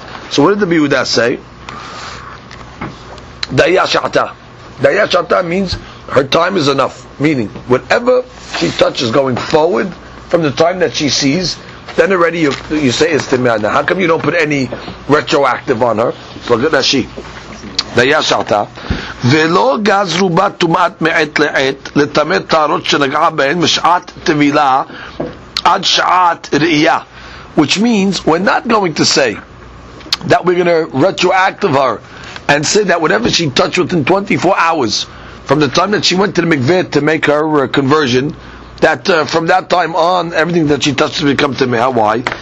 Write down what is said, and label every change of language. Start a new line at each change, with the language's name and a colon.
English: So what did the Biyuda say? Daya Sha'ata. Daya Sha'ata means her time is enough. Meaning, whatever she touches going forward from the time that she sees, then already you say it's Timana. How come you don't put any retroactive on her? So look at that she. Daya Sha'ata.
Hebrew: ולא גזרו בה טומאת מעת לעת לטמא טהרות שנגעה בהן משעת טבילה עד שעת ראייה.
English: Which means, we're not going to say that we're going to retroactive her and say that whatever she touched within 24 hours from the time that she went to the mikveh to make her conversion, that from that time on, everything that she touched become tamei. Why?